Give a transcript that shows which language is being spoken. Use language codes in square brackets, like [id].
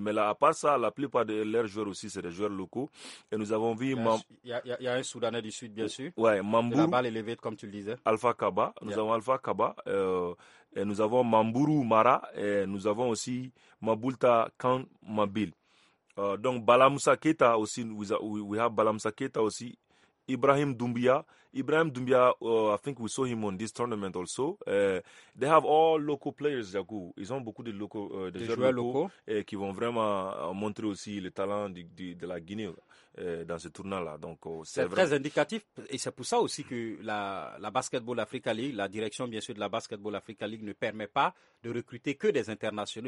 [fr] Mais là, à part ça, la plupart de leurs joueurs aussi, c'est des joueurs locaux. Et nous avons vu... Il y a un Soudanais du Sud, bien sûr. Ouais, Mambou. La balle élevée, comme tu le disais. Alpha Kaba. Nous avons Alpha Kaba. Et nous avons Mambourou Mara. Et nous avons aussi Mabulta Kan Mabil. Donc [en] Balamoussa Keita [fr] aussi, [en] we have Balamoussa Keita aussi, Ibrahim Doumbia, I think we saw him on this tournament also. They have all local players, Jaku. [fr] Ils ont beaucoup de locaux, des joueurs locaux. Qui vont vraiment montrer aussi le talent de la Guinée dans ce tournoi-là. Donc c'est très indicatif, et c'est pour ça aussi que la Basketball Africa League, la direction bien sûr de la Basketball Africa League ne permet pas de recruter que des internationaux.